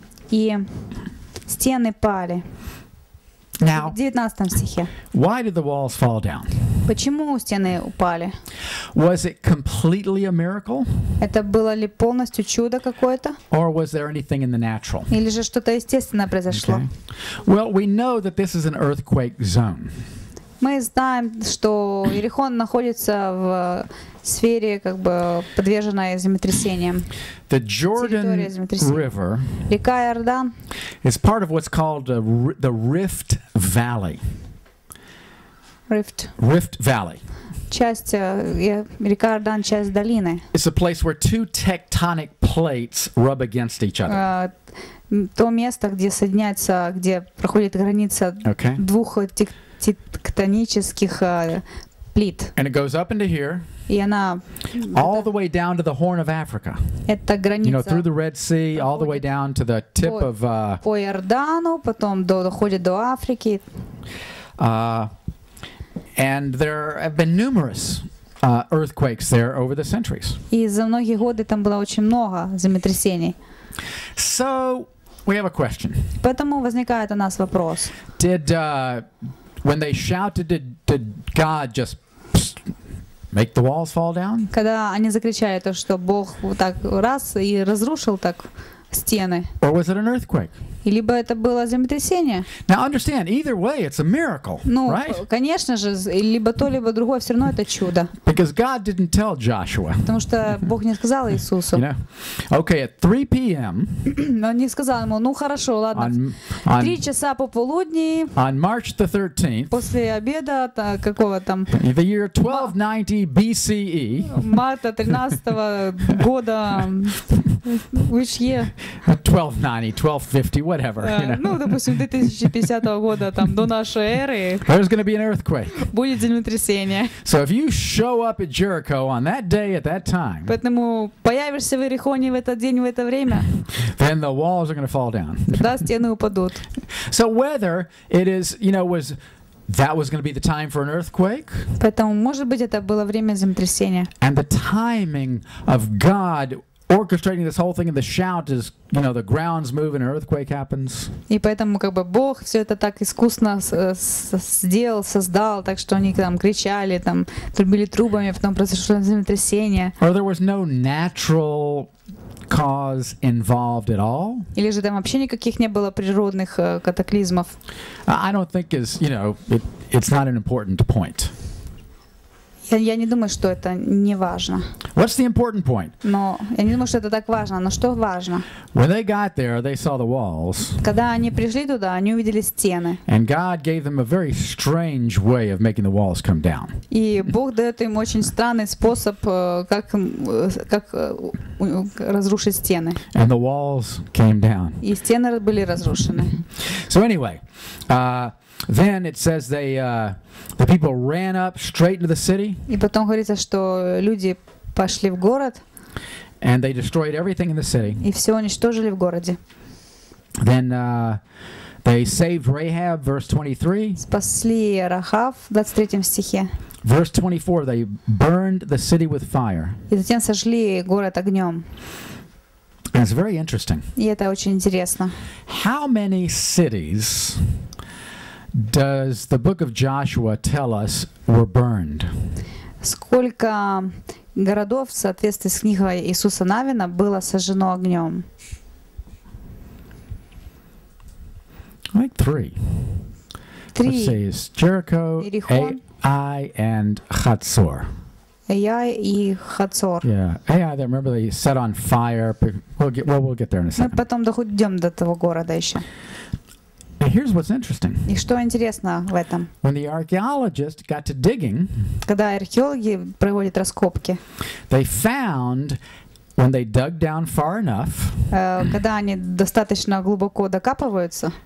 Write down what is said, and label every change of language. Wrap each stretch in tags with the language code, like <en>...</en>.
<ru>И стены пали.</ru> <en>Now,</en> <ru>19 стихе.</ru> <en>Why did the walls fall down?</en> <ru>Почему стены упали?</ru> <en>Was it completely a miracle?</en> <ru>Это было ли полностью чудо какое-то?</ru> <en>Or was there anything in the natural?</en> <ru>Или же что-то естественное произошло?</ru> <en>Okay. Well, we know that this is an earthquake zone.</en> <ru>Мы знаем, что Иерихон находится в сфере, как бы подверженной землетрясениям.</ru> <en>The Jordan River,</en> <ru>река Иордан,</ru> <en>is part of what's called the Rift Valley. Rift Valley.</en> <ru>Река Иордан, часть долины.</ru> <en>It's a place where two tectonic plates rub against each other.</en> <ru>То место, где соединяется, где проходит граница двух тектонических плит.</ru> <en>And it goes up into here.</en> <ru>И она</ru> <en>all the way down to the Horn of Africa.</en> <ru>Это граница.</ru> <en>You know, through the Red Sea, all the way down to the tip of.</en> <ru>По Иордану, потом доходит до Африки.</ru> <en>And there have been numerous earthquakes there over the centuries.</en> <ru>И за многие годы там было очень много землетрясений.</ru> <en>So we have a question.</en> <ru>Поэтому возникает у нас вопрос.</ru> <en>When they shouted to God, just make the walls fall down?</en> <ru>Когда они закричали то, что Бог вот так раз и разрушил так стены.</ru> <en>Or was it an earthquake?</en> <ru>Либо это было землетрясение.</ru> <en>Now understand, either way, it's a miracle, right?</en> <ru>Ну, конечно же, либо то, либо другое, все равно это чудо.</ru> <en>Because God didn't tell Joshua.</en> <ru>Потому что Бог не сказал Иисусу.</ru> <en>You know? Okay, at 3 p.m.</en> <ru>Но не сказал ему, ну хорошо, ладно. Три часа пополудни.</ru> <en>On March the 13th.</en> <ru>После обеда какого там?</ru> <en>In the year 1290 BCE.</en> <ru>Марта 13 года.</ru> <en>Which year? 1290, 1250, whatever.</en> <ru>Ну, допустим, 2050 года, там, до нашей эры.</ru> <en>There's going to be an earthquake.</en> <ru>Будет землетрясение.</ru> <en>So if you show up at Jericho on that day at that time.</en> <ru>Поэтому появишься в Иерихоне в этот день, в это время.</ru> <en>Then the walls are going to fall down.</en> <ru>Да, стены упадут.</ru> <en>So whether it is, you know, was that was going to be the time for an earthquake?</en> <ru>Поэтому, может быть, это было время землетрясения.</ru> <en>And the timing of God orchestrating this whole thing and the shout is, you know, the ground's moving, an earthquake happens.</en> <ru>И поэтому как бы Бог все это так искусно сделал, создал, так что они там кричали, там трубили трубами, потом произошло землетрясение.</ru> <en>Or there was no natural cause involved at all?</en> <ru>Или же там вообще никаких не было природных катаклизмов?</ru> <en>I don't think is, you know, it's not an important point.</en> <ru>Я не думаю, что это не важно.</ru> <en>What's the important point?</en> <ru>Но я не думаю, что это так важно. Но что важно?</ru> <en>When they got there, they saw the walls.</en> <ru>Когда они пришли туда, они увидели стены.</ru> <en>And God gave them a very strange way of making the walls come down.</en> <ru>И Бог дает им очень странный способ, как разрушить стены.</ru> <en>And the walls came down.</en> <ru>И стены были разрушены.</ru> <en>So anyway. Then it says they the people ran up straight into the city.</en> <ru>И потом говорится, что люди пошли в город.</ru> <en>And they destroyed everything in the city.</en> <ru>И все уничтожили в городе.</ru> <en>Then they saved Rahab, verse 23.</en> <ru>Спасли Рахав, 23 стихе.</ru> <en>Verse 24, they burned the city with fire.</en> <ru>И затем сожгли город огнем.</ru> <en>And it's very interesting.</en> <ru>И это очень интересно.</ru> <en>How many cities does the book of Joshua tell us were burned?</en> <ru>Сколько городов, в соответствии с книгой Иисуса Навина, было сожжено огнем?</ru> <en>Like three. Three. Let's see. It's Jericho, Ai, and Hatzor.</en> <ru>AI и Хацор.</ru> <en>Yeah, AI, they remember they set on fire. We'll get there in a second.</en> <ru>Мы потом дойдём до этого города ещё.</ru> <en>And here's what's interesting.</en> <ru>И что интересно в этом?</ru> <en>When the archaeologist got to digging,</en> <ru>когда археологи проводят раскопки,</ru> <en>they found, when they dug down far enough,</en> <ru>когда они достаточно глубоко докапываются,</ru>